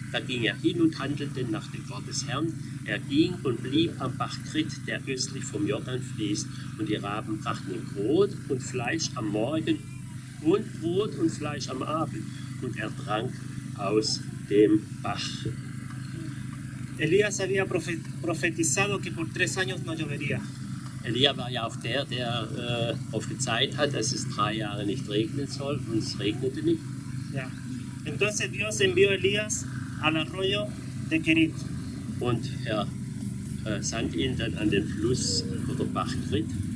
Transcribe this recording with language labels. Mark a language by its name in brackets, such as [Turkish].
[German] Da ging er hin und handelte nach dem Wort des Herrn. Er ging und blieb am Bach Krit, der östlich vom Jordan fließt. Und die Raben brachten ihm Brot und Fleisch am Morgen und Brot und Fleisch am Abend. Und er trank aus dem Bach. [Spanish] Elías había profetizado que por tres años no llovería. [German] Elia war ja auch der, der prophezeit hat, dass es 3 Jahre nicht regnen soll, und es regnete nicht. Ja. [Spanish] Entonces Dios envió a Elías al arroyo de Kerit. [German] Und er sandte ihn dann an den Fluss oder Bach Kerit.